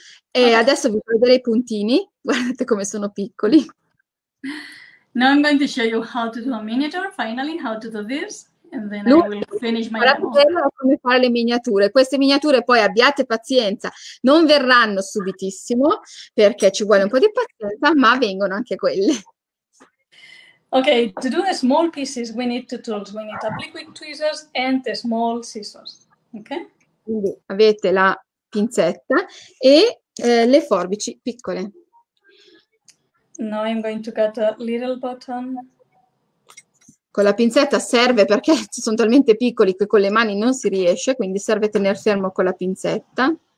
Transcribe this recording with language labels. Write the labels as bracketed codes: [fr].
[it] E adesso vi farò vedere i puntini, guardate come sono piccoli. [en] Now I'm going to show you how to do a miniature, finally, how to do this, and then I will finish my demo. [it] Guardate come fare le miniature, queste miniature poi abbiate pazienza, non verranno subitissimo, perché ci vuole un po' di pazienza, ma vengono anche quelle. [en] Ok, to do the small pieces we need two tools, we need applique tweezers and the small scissors, ok? [it] Quindi avete la pinzetta e le forbici piccole. [en] Now I'm going to cut a little button. [it] Con la pinzetta serve, perché sono talmente piccoli che con le mani non si riesce, quindi serve tener fermo con la pinzetta.